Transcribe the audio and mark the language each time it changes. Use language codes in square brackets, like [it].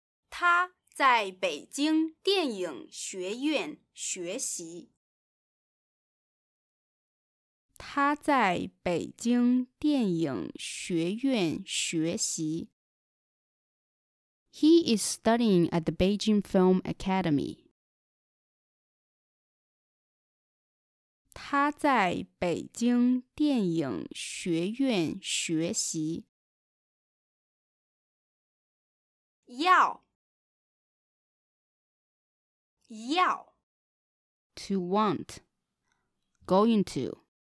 [zh] 他在北京电影学院学习。他在北京电影学院学习。 [en] He is studying at the Beijing Film Academy. [zh] 他在北京电影学院学习。药，药。 [en] to want, going to.